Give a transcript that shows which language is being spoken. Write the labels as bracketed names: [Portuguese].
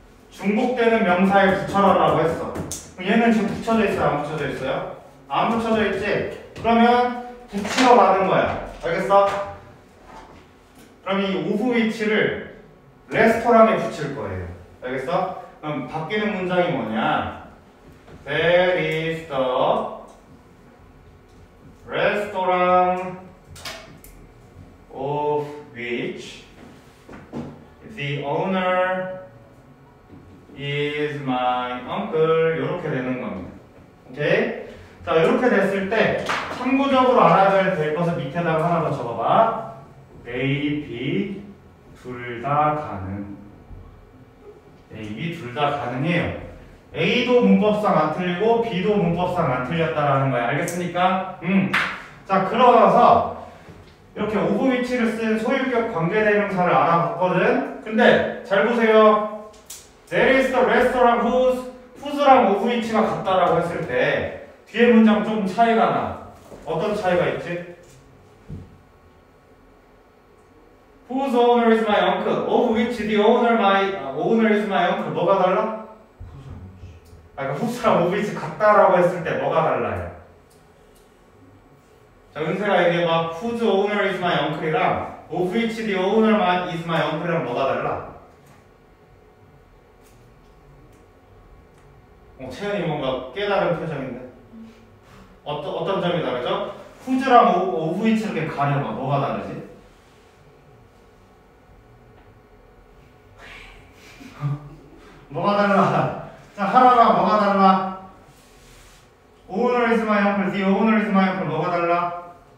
[Korean] 중복되는 명사에 붙여라라고 했어. 얘는 지금 붙여져 있어요? 안 붙여져 있어요? 안 붙여져 있지? 그러면 붙여 라는 거야. 알겠어? 그럼 이 오브 위치를 레스토랑에 붙일 거예요. 알겠어? 그럼 바뀌는 문장이 뭐냐? [English] There is the restaurant of which the owner is my uncle. [Korean] 이렇게 되는 겁니다. 오케이? 자, 이렇게 됐을 때 참고적으로 알아야 될 것을 밑에다가 하나 더 적어봐. A, B 둘 다 가능. A, B 둘 다 가능해요. A도 문법상 안 틀리고 B도 문법상 안 틀렸다라는 거야. 알겠습니까? 자, 그러면서 이렇게 오브 위치를 쓴 소유격 관계대명사를 알아봤거든. 근데 잘 보세요. [English] There is the restaurant whose, whose [Korean] 랑 오브 위치가 같다라고 했을 때 뒤에 문장 좀 차이가 나. 어떤 차이가 있지? [English] Whose owner is my uncle? Of which the owner, my, owner is my uncle? [Korean] 뭐가 달라? 아, 그러니까 후스랑 오브위치 같다라고 했을 때 뭐가 달라요? 자, 은세가 얘기해봐. [English] Whose owner is my uncle이랑 of which the owner is my uncle이랑 [Korean] 뭐가 달라? 채연이 뭔가 깨달은 표정인데? 어떤 점이 다르죠? Whose랑 오브위치를 이렇게 가려봐. 뭐가 다르지? 뭐가 달라? 자, 하라라, 뭐가 달라? [English] Owner is my uncle, the owner is my uncle, [Korean] 뭐가 달라?